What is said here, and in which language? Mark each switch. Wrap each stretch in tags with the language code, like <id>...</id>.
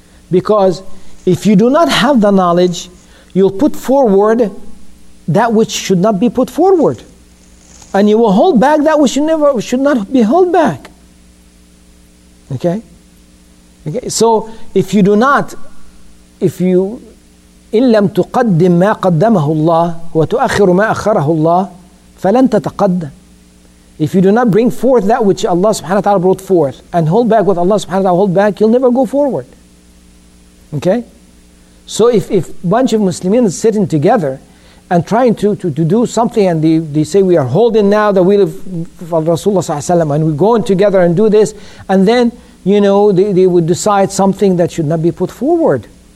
<en>Because if you do not have the knowledge, you'll put forward that which should not be put forward. And you will hold back that which should not be held back. Okay? Okay. So if you do not, if you</en> <ar>إِن لَمْ تُقَدِّمْ مَا قَدَّمَهُ اللَّهُ وَتُؤَخِّرُ مَا أَخَّرَهُ اللَّهُ فَلَنْ تَتَقَدَّمْ.</ar> <en>If you do not bring forth that which Allah subhanahu wa ta'ala brought forth and hold back what Allah subhanahu wa ta'ala hold back, you'll never go forward. Okay? So if a bunch of Muslims are sitting together and trying to do something and they say we are holding now the wheel of Rasulullah sallallahu alaihi wasallam and we're going together and do this, and then, you know, they would decide something that should not be put forward.</en>